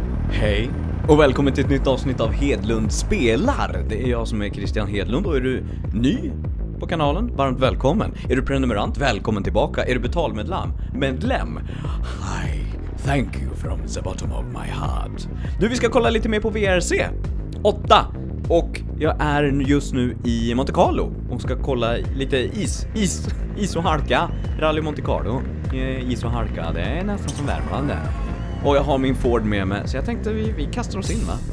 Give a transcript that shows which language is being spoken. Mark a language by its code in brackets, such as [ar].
[sv] Hej och välkommen till ett nytt avsnitt av Hedlund spelar. Det är jag som är Christian Hedlund och är du ny på kanalen, varmt välkommen. Är du prenumerant, välkommen tillbaka. Är du betalmedlem, medlem? [en] Hi, thank you from the bottom of my heart. [sv] Nu vi ska kolla lite mer på VRC 8. Och jag är just nu i Monte Carlo och ska kolla lite is och halka. Rally Monte Carlo, is och halka, det är nästan som Värmland. Och jag har min Ford med mig, så jag tänkte vi kastar oss in, va?